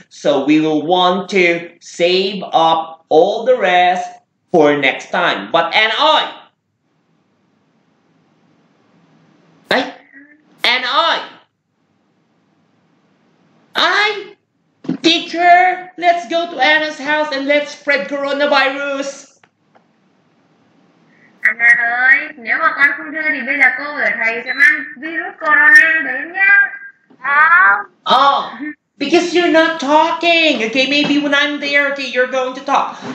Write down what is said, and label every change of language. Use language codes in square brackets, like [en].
[en] So we will want to save up all the rest for next time. But I, teacher, let's go to Anna's house and let's spread coronavirus. [vi] Anna ơi, nếu mà con không chơi thì bây giờ cô và thầy sẽ mang virus corona đến nhá. [en] Oh, because you're not talking. Okay, maybe when I'm there, okay, you're going to talk.